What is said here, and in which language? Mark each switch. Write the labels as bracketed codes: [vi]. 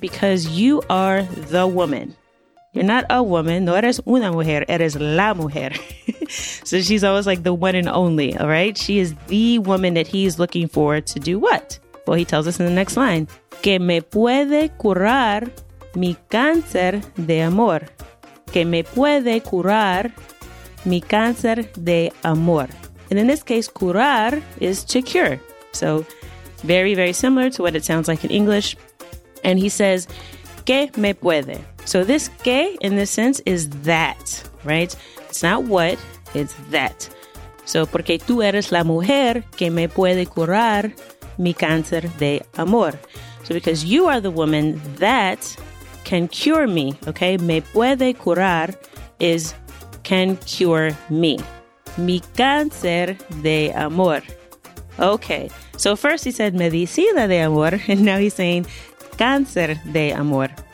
[en] Because you are the woman. You're not a woman. [es] No eres una mujer. Eres la mujer. [en] So she's always like the one and only, all right? She is the woman that he's looking for to do what? Well, he tells us in the next line, [es] que me puede curar mi cáncer de amor. Que me puede curar mi cáncer de amor. [en] And in this case, curar is to cure. So very, very similar to what it sounds like in English. And he says, [es] que me puede. [en] So this que in this sense is that, right? It's not what, it's that. [es] So porque tú eres la mujer que me puede curar mi cáncer de amor. [en] So because you are the woman that can cure me, okay? [es] Me puede curar [en] is can cure me. [es] Mi cáncer de amor. [en] Okay, so first he said [es] medicina de amor, [en] and now he's saying [es] cáncer de amor.